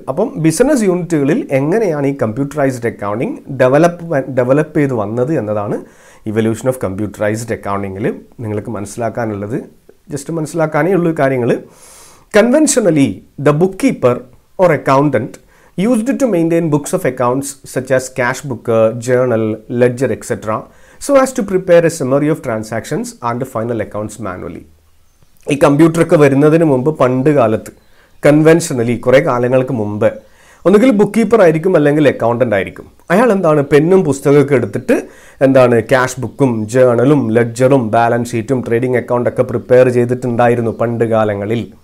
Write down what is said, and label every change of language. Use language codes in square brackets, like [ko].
[ml] അപ്പം ബിസിനസ് യൂണിറ്റുകളിൽ എങ്ങനെയാണ് ഈ കമ്പ്യൂട്ടറൈസ്ഡ് അക്കൗണ്ടിങ് ഡെവലപ്പ് ചെയ്ത് വന്നത് എന്നതാണ് ഇവല്യൂഷൻ ഓഫ് കമ്പ്യൂട്ടറൈസ്ഡ് അക്കൗണ്ടിങ്ങിൽ നിങ്ങൾക്ക് മനസ്സിലാക്കാനുള്ളത്. ജസ്റ്റ് മനസ്സിലാക്കാനേ ഉള്ളൂ കാര്യങ്ങൾ. [en] Conventionally the book keeper or accountant used to maintain books of accounts such as cash book, journal, ledger, etc. so as to prepare a summary of transactions and the final accounts manually. [ml] ഈ കമ്പ്യൂട്ടറൊക്കെ വരുന്നതിന് മുമ്പ് പണ്ട് കാലത്ത് conventionally കുറെ കാലങ്ങൾക്ക് മുമ്പ് ഒന്നുകിൽ book keeper ആയിരിക്കും അല്ലെങ്കിൽ അക്കൗണ്ടന്റ് ആയിരിക്കും. അയാൾ എന്താണ് പെന്നും പുസ്തകമൊക്കെ എടുത്തിട്ട് എന്താണ് ക്യാഷ് ബുക്കും ജേണലും ലെഡ്ജറും ബാലൻസ് ഷീറ്റും ട്രേഡിംഗ് അക്കൗണ്ടൊക്കെ പ്രിപ്പയർ ചെയ്തിട്ടുണ്ടായിരുന്നു പണ്ട് കാലങ്ങളിൽ.